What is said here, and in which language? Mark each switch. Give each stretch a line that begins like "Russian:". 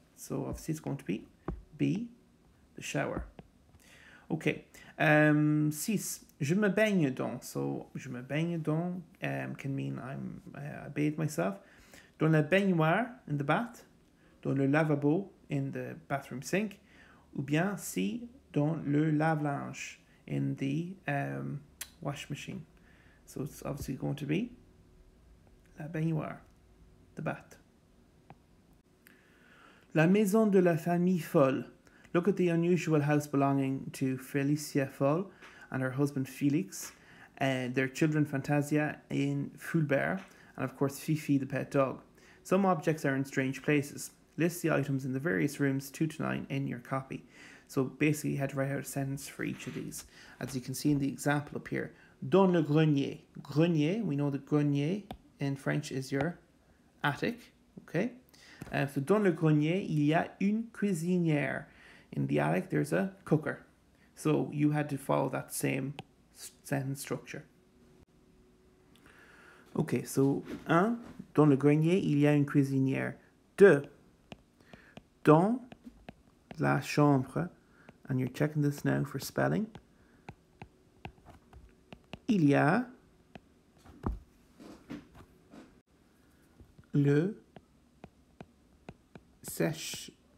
English: So, obviously, it's going to be B, the shower. Okay, 6.
French: Je me baigne dans, so je me baigne dans
English: can mean I bathe myself.
French: Dans la baignoire,
English: in the bath.
French: Dans le lavabo,
English: in the bathroom sink.
French: Ou bien si, dans le lave-linge,
English: in the wash machine. So it's obviously going to be
French: la baignoire,
English: the bath.
French: La maison de la famille folle.
English: Look at the unusual house belonging to Felicia Foll and her husband Felix, their children Fantasia in Fulbert, and of course Fifi the pet dog. Some objects are in strange places. List the items in the various rooms 2 to 9 in your copy. So basically you had to write out a sentence for each of these. As you can see in the example up here,
French: dans le grenier.
English: Grenier, we know the grenier in French is your attic. Okay.
French: So dans le grenier, il y a une cuisinière.
English: In the attic, there's a cooker. So you had to follow that same sentence structure.
French: Okay, so, un, dans le grenier, il y a une cuisinière. Deux, dans la chambre,
English: and you're checking this now for spelling,
French: il y a le sèche.